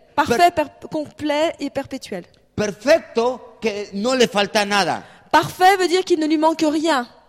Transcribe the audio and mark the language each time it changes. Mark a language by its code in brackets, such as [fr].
[fr] Parfait, complet et perpétuel. [es] Perfecto, que no le falta nada. [fr] Parfait veut dire qu'il ne lui manque rien.